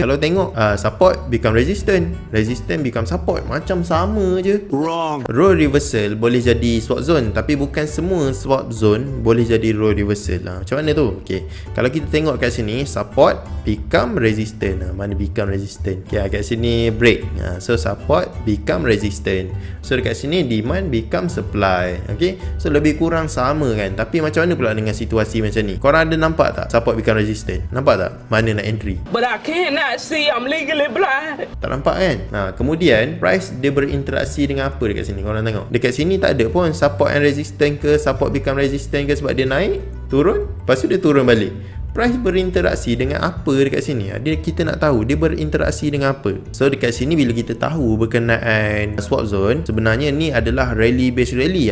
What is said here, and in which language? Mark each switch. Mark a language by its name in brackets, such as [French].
[Malay] Kalau tengok, [English] support become resistant, resistant become support, [Malay] macam sama je. [English] Wrong. [Malay] Roll reversal boleh jadi swap zone, tapi bukan semua swap zone boleh jadi roll reversal. Macam mana tu? Okay, kalau kita tengok kat sini, [English] support become resistant. [Malay] Mana [English] become resistant? [Malay] Okay, kat sini break. [English] So support become resistant. [Malay] So dekat sini [English] demand become supply. [Malay] Okay, so lebih kurang sama kan. Tapi macam mana pula dengan situasi macam ni? Korang ada nampak tak [English] support become resistant? [Malay] Nampak tak mana nak entry? [English] But I cannot see, I'm legally blind. [Malay] Tak nampak kan? Ha, kemudian price dia berinteraksi dengan apa dekat sini? Korang tengok, dekat sini tak ada pun [English] support and resistant [Malay] ke, [English] support become resistant [Malay] ke. Sebab dia naik turun, lepas tu dia turun balik. Price berinteraksi dengan apa dekat sini? Dia, kita nak tahu dia berinteraksi dengan apa. So dekat sini bila kita tahu berkenaan swap zone, sebenarnya ni adalah rally based rally.